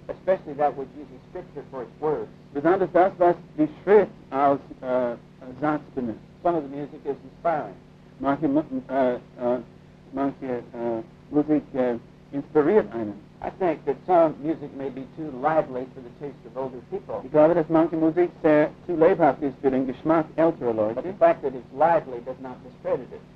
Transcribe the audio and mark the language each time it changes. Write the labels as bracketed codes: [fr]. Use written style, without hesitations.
[en] Especially that which uses scripture for its words. [de] Besonders das, was die Schrift als Satz benutzt. [en] Some of the music is inspiring. [de] Manche Musik inspiriert einen. [en] I think that some music may be too lively for the taste of older people. [de] Ich glaube, dass manche Musik sehr zu lebhaft ist für den Geschmack älterer Leute. [en] But the fact that it's lively does not discredit it.